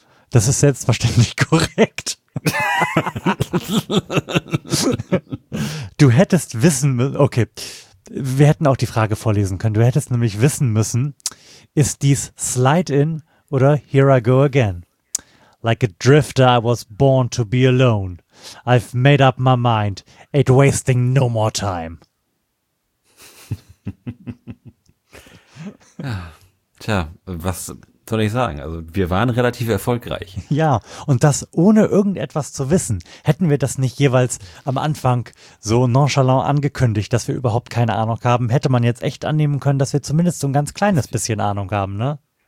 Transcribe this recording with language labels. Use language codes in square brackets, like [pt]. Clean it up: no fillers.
[de] Das ist selbstverständlich korrekt. Du hättest wissen müssen, okay, wir hätten auch die Frage vorlesen können. Du hättest nämlich wissen müssen, ist dies Slide In oder Here I go again? [en] Like a drifter, I was born to be alone. I've made up my mind. Ain't wasting no more time. [de] Ja, tja, was soll ich sagen? Also wir waren relativ erfolgreich. Ja, und das ohne irgendetwas zu wissen. Hätten wir das nicht jeweils am Anfang so nonchalant angekündigt, dass wir überhaupt keine Ahnung haben, hätte man jetzt echt annehmen können, dass wir zumindest so ein ganz kleines bisschen Ahnung haben, ne?